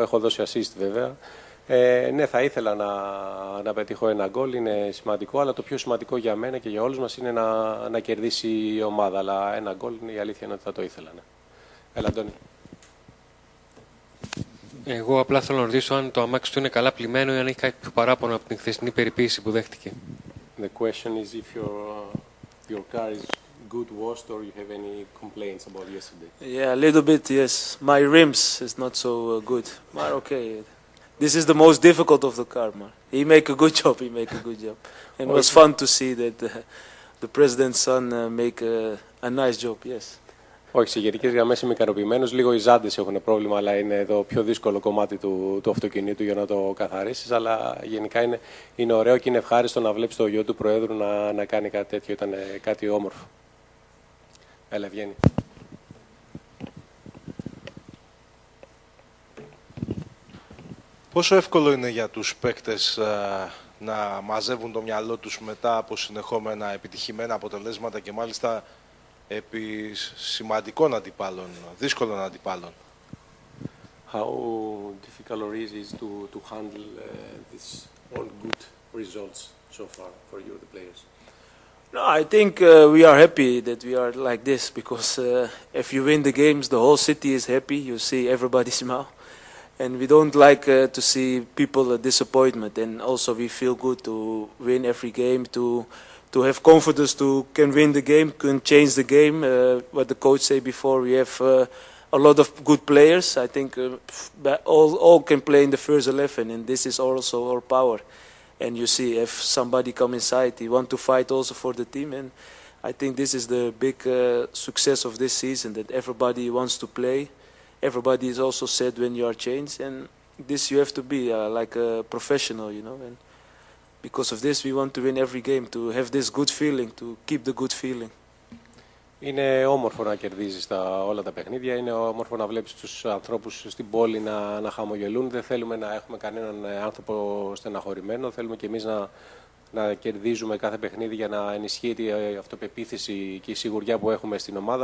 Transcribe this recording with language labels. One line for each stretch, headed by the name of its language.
Greek: Έχω δώσει assist βέβαια. Ναι, θα ήθελα να πετύχω ένα γκολ, είναι σημαντικό, αλλά το πιο σημαντικό για μένα και για όλους μας είναι να κερδίσει η ομάδα. Αλλά ένα γκολ, η αλήθεια είναι ότι θα το ήθελα. Ναι. Έλα, Αντώνη. Εγώ απλά θέλω να ρωτήσω αν το αμάξι του είναι καλά πλημμένο ή αν έχει κάποιο παράπονο από την χθεσινή περιποίηση που δέχτηκε.
English: The question is if your car is good washed or you have any complaints about yesterday. Yeah, a little bit, yes. My rims is not so good. But okay. This is the most difficult of the car, man. He make a good job. And it was fun to see that the president's son make a nice job, yes.
Greek: Όχι, σε γενικές γραμμές είμαι ικανοποιημένος. Λίγο οι ζάντες έχουν πρόβλημα, αλλά είναι το πιο δύσκολο κομμάτι του αυτοκινήτου για να το καθαρίσεις. Αλλά γενικά είναι ωραίο και είναι ευχάριστο να βλέπεις το γιο του Προέδρου να κάνει κάτι τέτοιο. Ήταν κάτι όμορφο. Έλα, βγαίνει. Πόσο εύκολο είναι για τους παίκτες να μαζεύουν το μυαλό τους μετά από συνεχόμενα επιτυχημένα αποτελέσματα και μάλιστα επί σημαντικών αντιπάλων, δύσκολων αντιπάλων.
English: How difficult it is to handle this all good results so far for you, the players? No, I think we are happy that we are like this because if you win the games, the whole city is happy. You see everybody smile, and we don't like to see people a disappointment. And also, we feel good to win every game to have confidence to can win the game, can change the game. What the coach said before, we have a lot of good players. I think all can play in the first 11, and this is also our power. And you see, if somebody come inside, he want to fight also for the team. And I think this is the big success of this season, that everybody wants to play. Everybody is also sad when you are changed. And this you have to be like a professional, you know. And because of this, we want to win every game, to have this good feeling, to keep the good feeling.
Greek: Είναι όμορφο να κερδίζεις όλα τα παιχνίδια. Είναι όμορφο να βλέπεις τους ανθρώπους στην πόλη να χαμογελούν. Δεν θέλουμε να έχουμε κανέναν άνθρωπο στεναχωρημένο. Θέλουμε και εμείς να κερδίζουμε κάθε παιχνίδι για να ενισχύεται η αυτοπεποίθηση και η σιγουριά που έχουμε στην ομάδα.